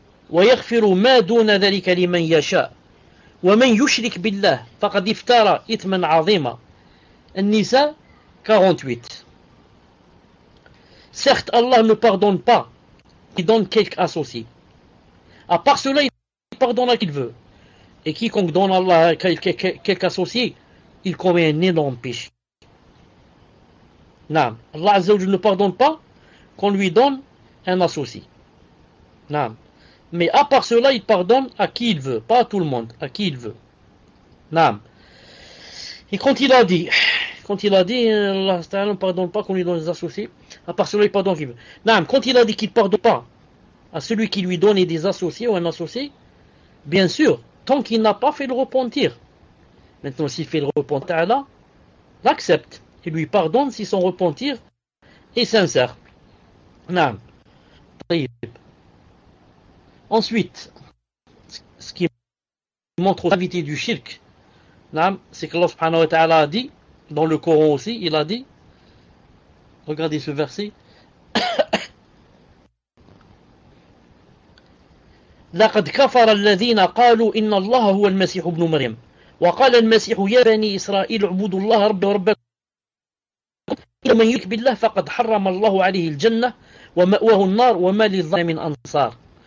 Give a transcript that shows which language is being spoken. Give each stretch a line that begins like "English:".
Arabic: ويغفر ما دون ذلك لمن يشاء ومن يشرك بالله فقد افترى إثما عظيما
French: An-Nisa 48. Certes, Allah ne pardonne pas qui donne quelque associé. À part cela, il pardonne à qui il veut. Et quiconque donne Allah à quelque associé, il commet un énorme péché. Naam. Allah Azzawajal ne pardonne pas qu'on lui donne un associé. Naam. Mais à part cela, il pardonne à qui il veut, pas à tout le monde, à qui il veut. Naam. Et quand il a dit, Allah Ta'ala ne pardonne pas qu'on lui donne des associés, à part cela, il pardonne qui veut. Naam. Quand il a dit qu'il ne pardonne pas à celui qui lui donne des associés ou un associé, bien sûr, tant qu'il n'a pas fait le repentir. Maintenant, s'il fait le repentir, Allah l'accepte et lui pardonne si son repentir est sincère. Naam. Ensuite, ce qui montre aux invités du shirk, c'est que Allah subhanahu wa ta'ala a dit, dans le Coran aussi, il a dit, regardez ce verset,
Arabic: لقد كفر الذين قالوا إن الله هو المسيح ابن مريم وقال المسيح يا بني إسرائيل اعبدوا الله ربي وربكم إن من يشرك بالله فقد حرم الله عليه الجنة ومأواه النار وما للظالمين من أنصار.